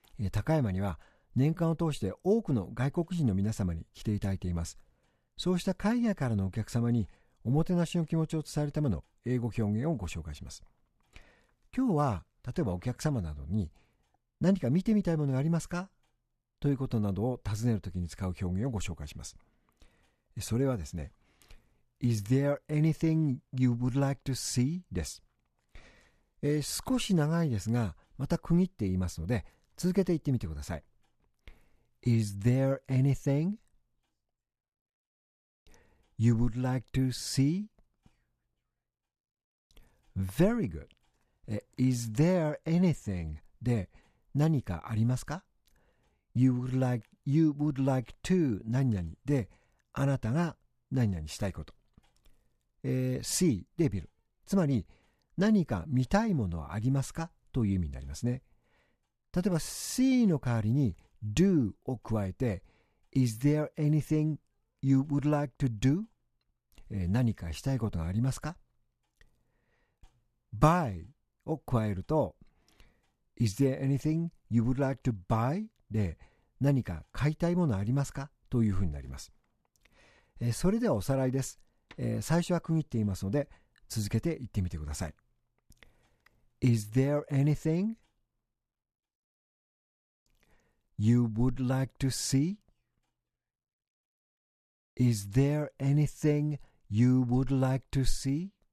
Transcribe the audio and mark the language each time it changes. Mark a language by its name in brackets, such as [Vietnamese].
[Japanese] 高山には年間を通して多くの外国人の皆様に来ていただいています。そうした海外からのお客様におもてなしの気持ちを伝えるための英語表現をご紹介します。今日は、例えばお客様などに何か見てみたいものがありますか? ということなどを尋ねるときに使う表現をご紹介します。それはですね、 [English] Is there anything you would like to see? [Japanese] です。少し長いですが、また区切って言いますので、続けて言ってみてください。 [English] Is there anything you would like to see? Very good. Is there anything? [Japanese] で、何かありますか ? [English] You would like to [Japanese] 何々で、あなたが何々したいこと。 see で見る。つまり、何か見たいものはありますかという意味になりますね。例えば、see の代わりに do を加えて、 [English] is there anything you would like to do?、 [Japanese] 何かしたいことがありますか ?buy を加えると、 [English] is there anything you would like to buy? [Japanese] で、何か買いたいものありますかというふうになります。それではおさらいです。最初は区切っていますので、続けて言ってみてください。 [English] Is there anything you would like to see? Is there anything you would like to see?